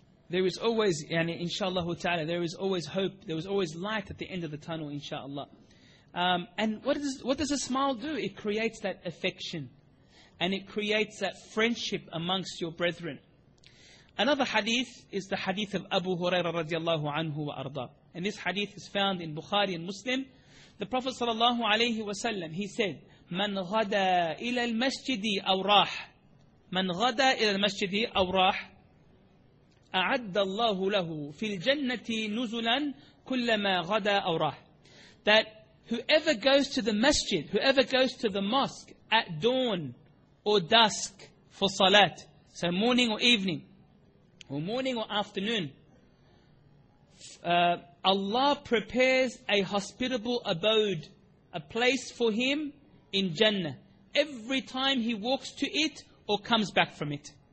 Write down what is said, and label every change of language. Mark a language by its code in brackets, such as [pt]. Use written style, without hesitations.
[en] There is always, yani inshallah ta'ala, there is always hope, there is always light at the end of the tunnel, inshallah. And what does a smile do? It creates that affection. And it creates that friendship amongst your brethren. Another hadith is the hadith of Abu Huraira radiallahu anhu wa arda. And this hadith is found in Bukhari and Muslim. The Prophet sallallahu alayhi wa sallam, he said, [ar] من غدا إلى المسجد أو راح من غدا إلى المسجد أو راح أعد الله له في الجنة نزلا كلما غدا أو راح. [en] That whoever goes to the masjid, whoever goes to the mosque at dawn or dusk for salat, so morning or evening, or morning or afternoon, Allah prepares a hospitable abode, a place for him in Jannah, every time he walks to it or comes back from it.